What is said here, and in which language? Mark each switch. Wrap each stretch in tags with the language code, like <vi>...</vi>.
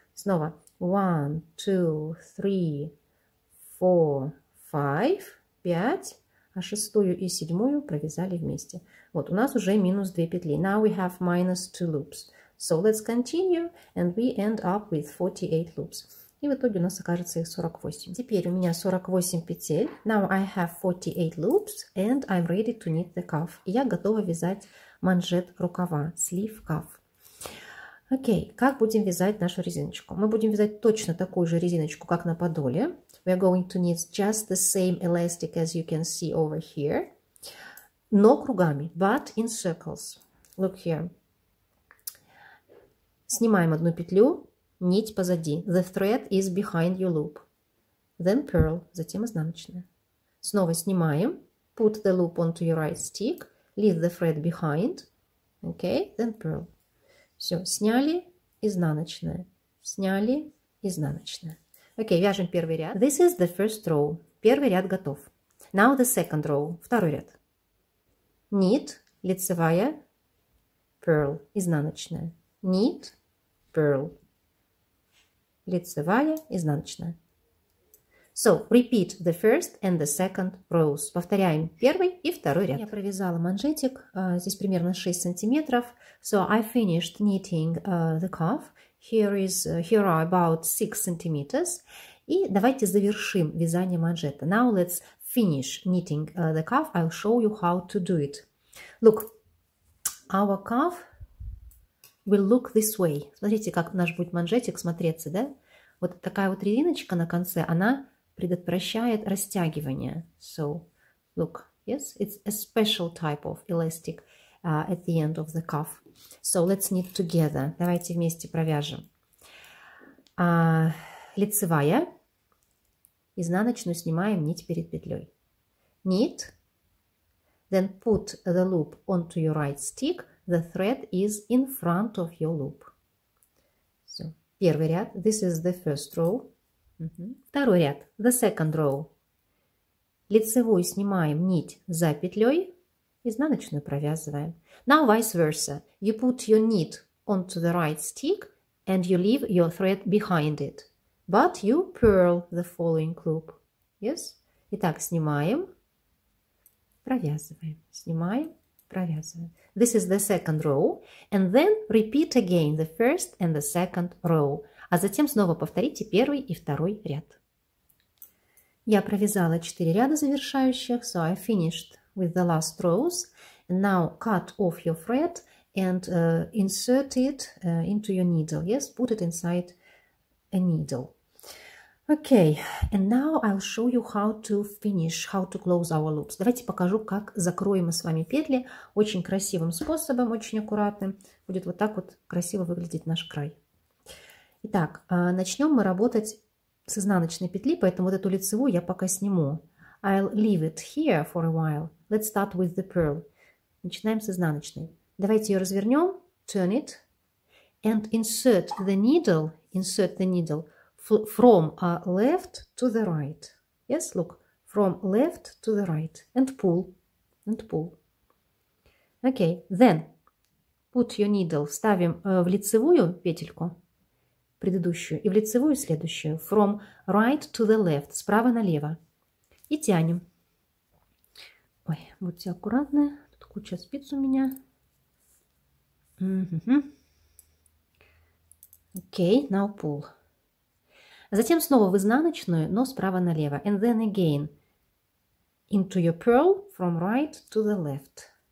<ru>Снова.</ru> <en>One, two, three, four, five.</en> <ru>Пять. А шестую и седьмую провязали вместе. Вот, у нас уже минус две петли.</ru> <en>Now we have minus two loops. So let's continue. And we end up with 48 loops.</en> <ru>И в итоге у нас окажется их 48. Теперь у меня 48 петель.</ru> <en>Now I have 48 loops and I'm ready to knit the cuff.</en> <ru>И я готова вязать манжет рукава,</ru> <en>sleeve cuff.</en> <ru>Окей, как будем вязать нашу резиночку? Мы будем вязать точно такую же резиночку, как на подоле.</ru> <en>We are going to knit just the same elastic as you can see over here.</en> <ru>Но кругами,</ru> <en>but in circles. Look here.</en> <ru>Снимаем одну петлю. Нить позади.</ru> <en>The thread is behind your loop. Then purl.</en> <ru>Затем изнаночная. Снова снимаем.</ru> <en>Put the loop onto your right stick. Leave the thread behind. Okay. Then purl.</en> <ru>Все. Сняли. Изнаночная. Сняли. Изнаночная. Окей. Вяжем первый ряд.</ru> <en>This is the first row.</en> <ru>Первый ряд готов.</ru> <en>Now the second row.</en> <ru>Второй ряд.</ru> <en>Нит.</en> <ru>Лицевая.</ru> <en>Purl.</en> <ru>Изнаночная.</ru> <en>Нит. Purl.</en> <ru>Лицевая, изнаночная.</ru> <en>So, repeat the first and the second rows.</en> <ru>Повторяем первый и второй ряд. Я провязала манжетик. Здесь примерно 6 сантиметров.</ru> <en>So, I finished knitting the cuff. Here are about 6 centimeters.</en> <ru>И давайте завершим вязание манжета.</ru> <en>Now, let's finish knitting the cuff. I'll show you how to do it. Look, our cuff will look this way.</en> <ru>Смотрите, как наш будет манжетик смотреться, да? Вот такая вот резиночка на конце, она предотвращает растягивание.</ru> <en>So, look, yes, it's a special type of elastic at the end of the cuff. So, let's knit together.</en> <ru>Давайте вместе провяжем. Лицевая. Изнаночную снимаем нить перед петлей.</ru> <en>Knit. Then put the loop onto your right stick. The thread is in front of your loop. So,</en> <ru>первый ряд.</ru> <en>This is the first row.</en> <ru>Второй ряд.</ru> <en>The second row.</en> <ru>Лицевую снимаем нить за петлей. Изнаночную провязываем.</ru> <en>Now vice versa. You put your knit onto the right stick and you leave your thread behind it. But you purl the following loop. Yes?</en> <ru>Итак, снимаем, провязываем. Снимаем, провязываем.</ru> <en>This is the second row. And then repeat again the first and the second row.</en> <ru>А затем снова повторите первый и второй ряд. Я провязала 4 ряда завершающих.</ru> <en>So I finished with the last rows. And now cut off your thread and insert it into your needle. Yes, put it inside a needle. Okay, and now I'll show you how to finish, how to close our loops.</en> <ru>Давайте покажу, как закроем мы с вами петли очень красивым способом, очень аккуратным. Будет вот так вот красиво выглядеть наш край. Итак, начнем мы работать с изнаночной петли, поэтому вот эту лицевую я пока сниму.</ru> <en>I'll leave it here for a while. Let's start with the purl.</en> <ru>Начинаем с изнаночной. Давайте ее развернем.</ru> <en>Turn it. And insert the needle. Insert the needle. From left to the right. Yes, look. From left to the right. And pull. And pull. Okay. Then put your needle.</en> <ru>Ставим в лицевую петельку предыдущую и в лицевую следующую.</ru> <en>From right to the left.</en> <ru>Справа налево. И тянем. Ой, будьте аккуратны. Тут куча спиц у меня.</ru> <en>Окей, now pull.</en> <ru>Затем снова в изнаночную, но справа налево.</ru> <en>And then again. Into your purl from right to the left.</en>